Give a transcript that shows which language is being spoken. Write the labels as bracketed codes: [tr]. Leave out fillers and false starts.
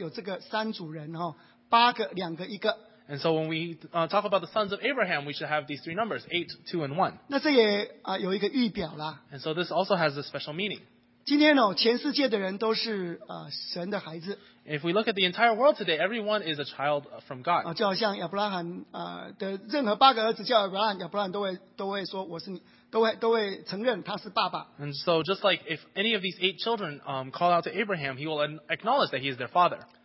[zh] 所以我们在谈亚伯拉罕孩子的时候有这个三组人,八个,两个,一个。 [en] And so when we talk about the sons of Abraham, we should have these three numbers, 8, 2, and 1. [zh] 那这也有一个预表啦。 [en] And so this also has a special meaning. [zh] 今天哦，全世界的人都是神的孩子。 [en] If we look at the entire world today, everyone is a child from God. [zh] 就好像亚伯拉罕的任何八个儿子叫亚伯拉罕，亚伯拉罕都会承认他是爸爸。 [en] And so just like if any of these eight children call out to Abraham, he will acknowledge that he is their father.